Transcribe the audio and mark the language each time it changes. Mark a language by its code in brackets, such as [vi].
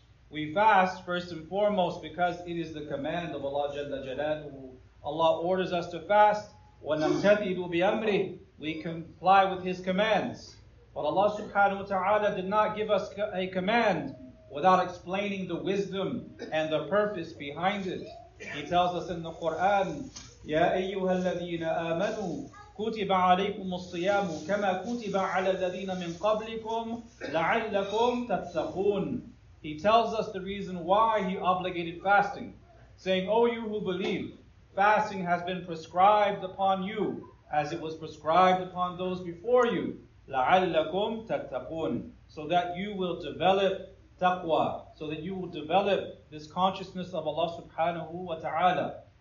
[en] We fast first and foremost because it is the command of Allah Jalla Jalaluhu. Allah orders us to fast. وَنَمْتَثِلُ بِأَمْرِهِ. We comply with His commands. But Allah Subhanahu Wa Ta'ala did not give us a command without explaining the wisdom and the purpose behind it. [ar] He tells us in the Quran, يَا أَيُّهَا الَّذِينَ آمَنُوا كُتِبَ عَلَيْكُمُ الصِّيَامُ كَمَا كُتِبَ عَلَى الَّذِينَ مِنْ قَبْلِكُمْ لَعَلَّكُمْ تَتَّقُونَ. [en] He tells us the reason why He obligated fasting, saying, O you who believe, fasting has been prescribed upon you as it was prescribed upon those before you, لَعَلَّكُمْ تَتَّقُونَ, so that you will develop taqwa, so that you will develop this consciousness of Allah Subhanahu Wa Ta'ala.